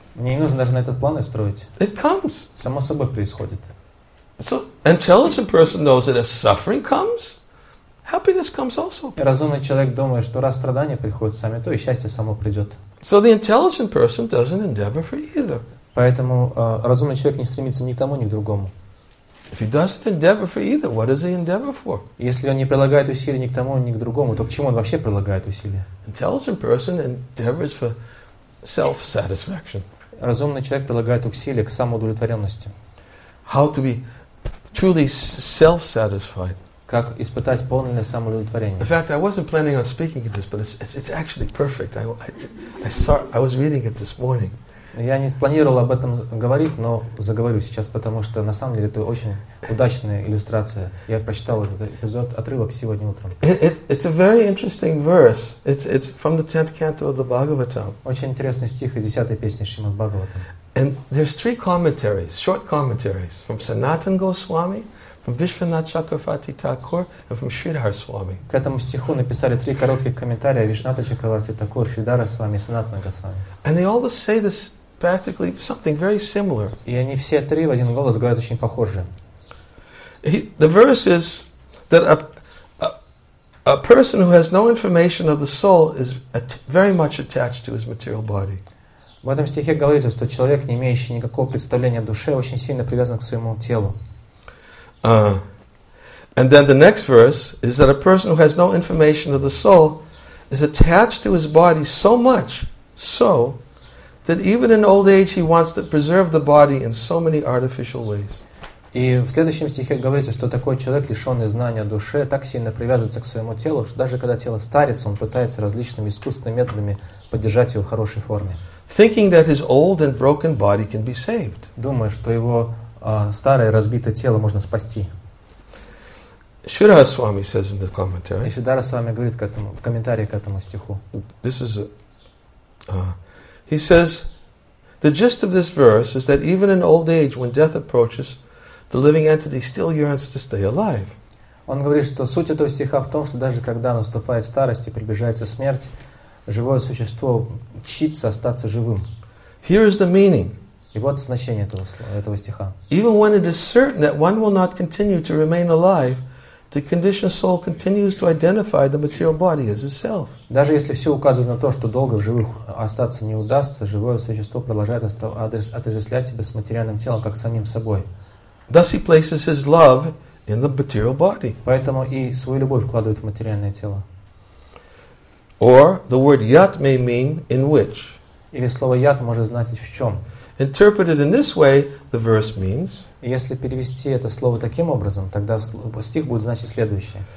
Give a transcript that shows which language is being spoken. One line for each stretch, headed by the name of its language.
Russian: Мне не нужно даже на этот план и строить.
English: It comes.
Russian: Само собой происходит.
English: So, intelligent person knows that if suffering comes, happiness comes also.
Russian: Разумный человек думает, что раз страдания приходят сами, то и счастье само придет.
English: So, the intelligent person doesn't endeavor for either.
Russian: Поэтому разумный человек не стремится ни к тому, ни к другому.
English: If he doesn't endeavor for either, what does he endeavor for?
Russian: Если он не прилагает усилий ни к тому, ни к другому, то к чему он вообще прилагает усилия?
English: Intelligent person endeavors for self-satisfaction.
Russian: Разумный человек прилагает усилия к самоудовлетворенности.
English: How to be truly self-satisfied.
Russian: Как испытать полное самоудовлетворение.
English: In fact, I wasn't planning on speaking at this, but it's actually perfect. I was reading it this morning.
Russian: Я не планировал об этом говорить, но заговорю сейчас, потому что на самом деле это очень удачная иллюстрация. Я прочитал этот эпизод, отрывок сегодня утром.
English: It's a very interesting verse. It's from the 10th canto of the Bhagavatam.
Russian: Очень интересный стих из 10-й песни Шримад Бхагаватам.
English: And there's three commentaries, short commentaries, from Sanatana Goswami, from Vishvanatha Chakravarti Thakur, and from Sridhar Swami.
Russian: К этому стиху написали три коротких комментария Вишнатха Чакраварти Такур, Шридхара Свами, Санатана Госвами.
English: And they all say this practically something very similar.
Russian: И они все три в один голос говорят очень похоже.
English: The verse is that a person who has no information of the soul is very much attached to his material body.
Russian: В этом стихе говорится, что человек, не имеющий никакого представления о душе, очень сильно привязан к своему телу.
English: And then the next verse is that a person who has no information of the soul is attached to his body so much, so that even in old age he wants to preserve the body in so many artificial ways.
Russian: И в следующем стихе говорится, что такой человек, лишенный знания о душе, так сильно привязывается к своему телу, что даже когда тело старится, он пытается различными искусственными методами поддержать его в хорошей форме.
English: Thinking that his old and broken body can be saved.
Russian: Думая, что его старое разбитое тело можно спасти.
English: Shridhara Swami says in the commentary.
Russian: Shridhara Swami говорит к этому, в комментарии к этому стиху.
English: This is he says the gist of this verse is that even in old age when death approaches the living entity still yearns to stay alive.
Russian: Он говорит, что суть этого стиха в том, что даже когда наступает старость и приближается смерть, живое существо чтится остаться живым.
English: Here is the meaning.
Russian: И вот значение этого слова, этого стиха.
English: Even when it is certain that one will not continue to remain alive, the conditioned soul continues to identify the material body as itself.
Russian: Даже если все указывает на то, что долго в живых остаться не удастся, живое существо продолжает отождествлять себя с материальным телом как самим собой.
English: Thus he places his love in the material body.
Russian: Поэтому и свою любовь вкладывает в материальное тело.
English: Or the word yat may mean in which.
Russian: Или слово yat может значить в чем.
English: Interpreted in this way, the verse means.
Russian: Если перевести это слово таким образом, тогда стих будет значить следующее.